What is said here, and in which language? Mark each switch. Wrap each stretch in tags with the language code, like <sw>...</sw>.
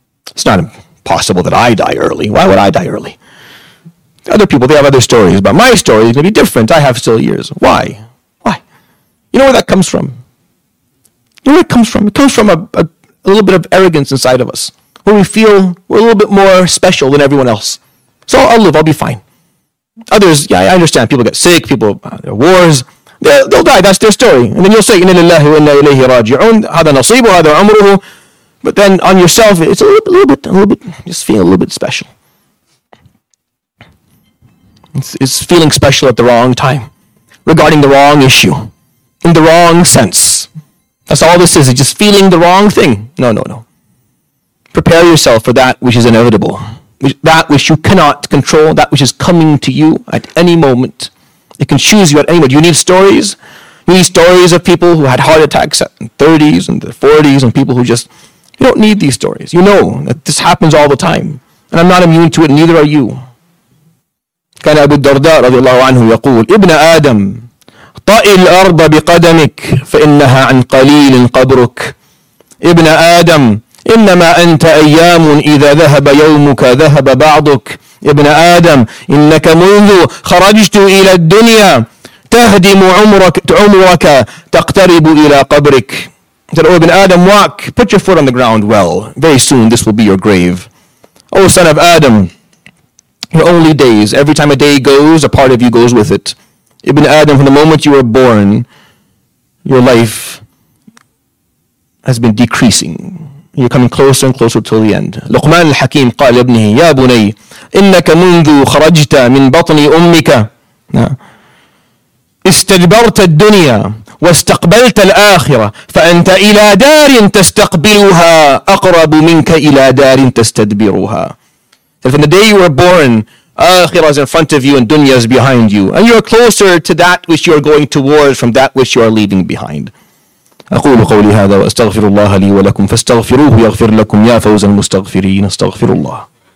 <en>It's not possible that I die early. Why would I die early? The other people, they have other stories, but my story is going to be different. I have still years. Why? Why? You know where that comes from? You know where it comes from? It comes from a little bit of arrogance inside of us, where we feel we're a little bit more special than everyone else. So I'll live. I'll be fine. Others, yeah, I understand. People get sick. People, there are wars. They'll die. That's their story. And then you'll say,</en> <ar>إِنَّ لِلَّهِ وَإِنَّ إِلَيْهِ رَاجِعُونَ هَذَا نَصِيبُ هَذَا عَمْرُهُ.</ar> <en>But then on yourself, it's a little bit, just feeling a little bit special. It's feeling special at the wrong time, regarding the wrong issue, in the wrong sense. That's all this is. It's just feeling the wrong thing. No. Prepare yourself for that which is inevitable, that which you cannot control, that which is coming to you at any moment. It can choose you at any moment. You need stories. You need stories of people who had heart attacks in the 30s and the 40s and people who just... You don't need these stories. You know that this happens all the time. And I'm not immune to it, neither are you.</en> <ar>كان أبو الدرداء رضي الله عنه يقول ابن آدم طأ الأرض بقدمك فإنها عن قليل قبرك. ابن آدم إنما أنت أيام إذا ذهب يومك ذهب بعضك. ابن آدم إنك منذ خرجت إلى الدنيا تهدم عمرك تقترب إلى قبرك.</ar> <en>He said, Ibn Adam, walk, put your foot on the ground well. Very soon this will be your grave. O son of Adam, your only days, every time a day goes, a part of you goes with it. Ibn Adam, from the moment you were born, your life has been decreasing You're coming closer and closer till the end.</en> <ar>Luqman al-Hakim قال لابنه يا بني إنك منذ خرجت من بطن أمك استدبرت الدنيا واستقبلت الآخرة فأنت إلى دار تستقبلها أقرب منك إلى دار تستدبرها.</ar> <en>So from the day you were born, Akhirah is in front of you and dunya is behind you. And you are closer to that which you are going toward from that which you are leaving behind.</en> <ar>أقول قولي هذا وأستغفر الله لي ولكم فاستغفروه يغفر لكم يا فوز المستغفرين استغفر الله.</ar>